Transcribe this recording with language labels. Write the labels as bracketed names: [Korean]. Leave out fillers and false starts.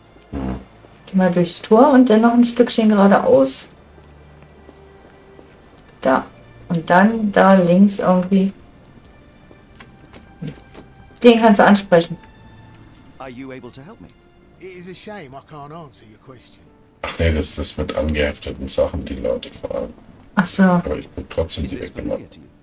[German] Geh mal durchs Tor und dann noch ein Stückchen geradeaus. Da. Und dann da links irgendwie. Den kannst du ansprechen. [English] Are you able to help me? It is a shame I can't answer your question. [German] Ach nee, das ist das mit angehefteten Sachen, die Leute fragen. Ach so. Aber ich bin trotzdem die Ecke gemacht.